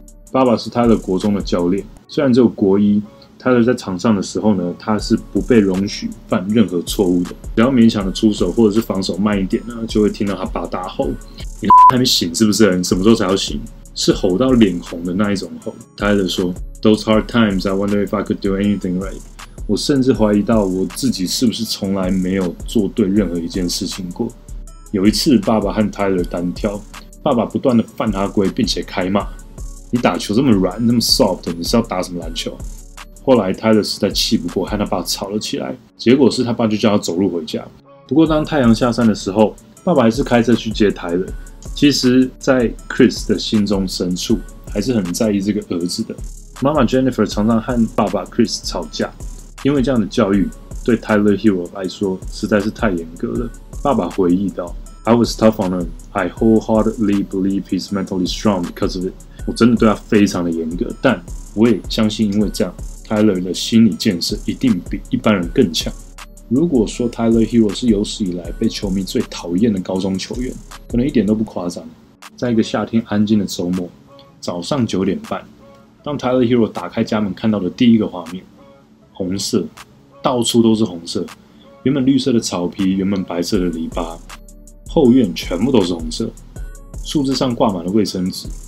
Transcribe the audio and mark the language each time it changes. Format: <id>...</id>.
<zh>爸爸是 Tyler 国中的教练，虽然只有国一， Tyler 在场上的时候呢，他是不被容许犯任何错误的。只要勉强的出手或者是防守慢一点呢，就会听到他爸大吼：“你还没醒是不是？你什么时候才要醒？” 是吼到脸红的那一种吼。</zh> <en>Tyler</en> <zh>说</zh> <en>：“Those hard times, I wonder if I could do anything right。”</en> <zh>我甚至怀疑到我自己是不是从来没有做对任何一件事情过。有一次，爸爸和 Tyler 单挑，爸爸不断的犯他规，并且开骂：“你打球这么软，那么 soft， 你是要打什么篮球？” 后来 Tyler 实在气不过，和他爸吵了起来。结果是他爸就叫他走路回家。不过当太阳下山的时候，爸爸还是开车去接 Tyler。其实，在 Chris 的心中深处，还是很在意这个儿子的。妈妈 Jennifer 常常和爸爸 Chris 吵架，因为这样的教育对 Tyler Hero 来说实在是太严格了。爸爸回忆道</zh> <en>：“I was tough on him. I wholeheartedly believe he's mentally strong because of it.”</en> <zh>我真的对他非常的严格，但我也相信，因为这样 ，Tyler 的心理建设一定比一般人更强。如果说 Tyler Hero 是有史以来被球迷最讨厌的高中球员，可能一点都不夸张。在一个夏天安静的周末，早上9点半，当 Tyler Hero 打开家门看到的第一个画面，红色，到处都是红色，原本绿色的草皮，原本白色的篱笆，后院全部都是红色，树枝上挂满了卫生纸。</zh>